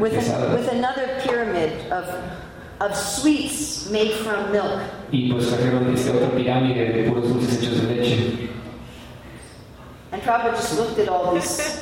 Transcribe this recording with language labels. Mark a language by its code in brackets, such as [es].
[en] with another pyramid of sweets made from milk. [es] Y pues trajeron esta otra pirámide de puros dulces hechos de leche. [en] And Prabhupada just looked at all this.